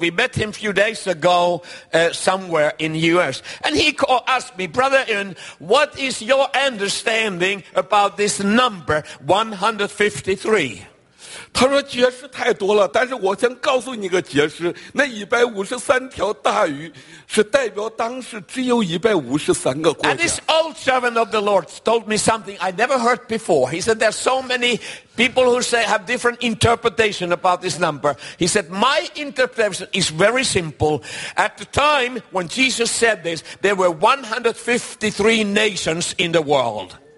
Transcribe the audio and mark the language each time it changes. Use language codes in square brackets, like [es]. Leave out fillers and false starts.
[en] We met him a few days ago somewhere in the U.S. And he asked me, Brother Yun, what is your understanding about this number 153? [zh] 他说解释太多了，但是我先告诉你个解释，那153条大鱼是代表当时只有153个国家。 [en] And this old servant of the Lord told me something I never heard before. He said there's so many people who say have different interpretation about this number. He said my interpretation is very simple. At the time when Jesus said this, there were 153 nations in the world.